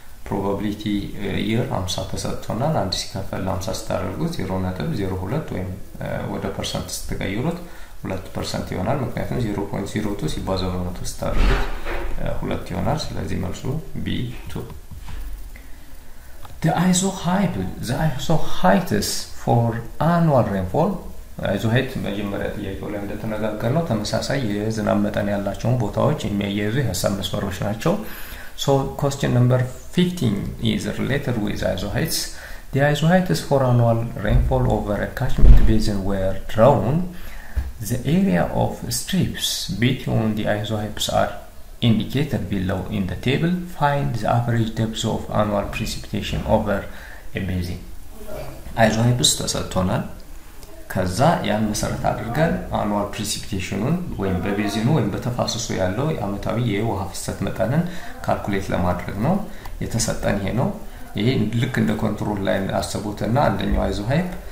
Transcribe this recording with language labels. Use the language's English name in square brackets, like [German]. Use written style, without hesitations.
[Amharic] probability year 50 ተሰጥቶናል። አንድ ሲከፈል 50 ስታደርጉት 0.02 ወይም ወደ percent ስትቀይሩት 2% ይሆናል። ምክንያቱም 0.02 ሲባዛ በ100 ስታደርጉት 2 ይሆናል። ስለዚህ መልሱ B2። [English] The isohyetes for annual rainfall. [Amharic] አይዞሄት መጀመሪያ ጥያቄው ላይ እንደተነጋገርነው ተመሳሳይ የዝናብ መጠን ያላቸውን ቦታዎች የሚያየዙ የሐሳብ መስመሮች ናቸው። [English] So question number 15 is related with isohyetes. The isohyetes for annual rainfall over a catchment basin were drawn. The area of strips between the isohyetes are indicated below in the table. Find the average depth of annual precipitation over a basin. [Amharic] isohyetes ተሰጥቶናል። ከዛ ያን መሰረት አድርገን አኑዋል ፕሪሲፒቴሽኑን ወይም በቤዚኑ ወይም በተፋሰሱ ያለው የአመታዊ የውሃ ፍሰት መጠንን ካልኩሌት ለማድረግ ነው የተሰጠን። ይሄ ነው። ይሄ ልክ እንደ ኮንትሮል ላይን አስቦተና አንደኛው አይዞሃይፕ